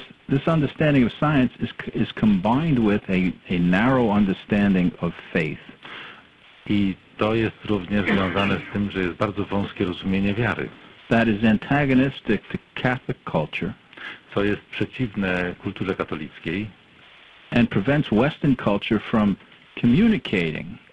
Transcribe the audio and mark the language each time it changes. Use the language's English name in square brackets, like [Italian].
[English] This understanding of science is combined with a narrow understanding of faith. [Polish] I to jest również związane z tym, że jest bardzo wąskie rozumienie wiary. [English] That is antagonistic to Catholic culture. [Polish] Co jest przeciwne kulturze katolickiej. [English] And prevents Western culture from communicating.